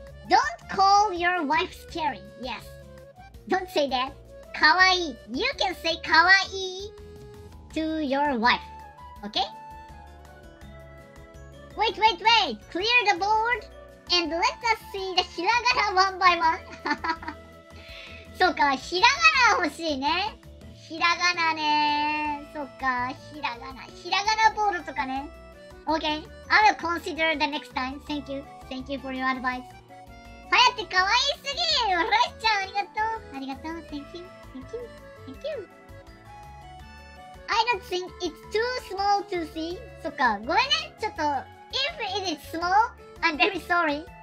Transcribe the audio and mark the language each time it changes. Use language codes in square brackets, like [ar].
[en] Don't call your wife scary, yes, don't say thatかわいい。 You can say かわいい to your wife. Okay? Wait, wait, wait. Clear the board and let us see the hiragana one by one. [ja] そうか、ひらがな欲しいね。ひらがなね。そうか、ひらがな。ひらがなボードとかね。 [en] Okay. I will consider the next time. Thank you. Thank you for your advice. [ja] はやってかわいすぎ。おらしちゃん、ありがとう。ありがとう。 [en] Thank you. Thank you. Thank you. I don't think it's too small to see. [ja] そっか、ごめんね。 [en] ちょっと、if it is small, I'm very sorry.